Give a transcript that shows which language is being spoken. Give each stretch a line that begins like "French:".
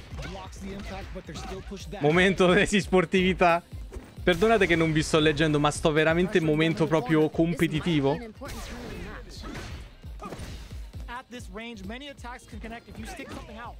English: Blocks the impact, but they're still pushed back.
Italian: Momento di sportività. Perdonate che non vi sto leggendo, ma sto veramente in momento proprio competitivo.
English: At this range, many attacks can connect if you stick something out.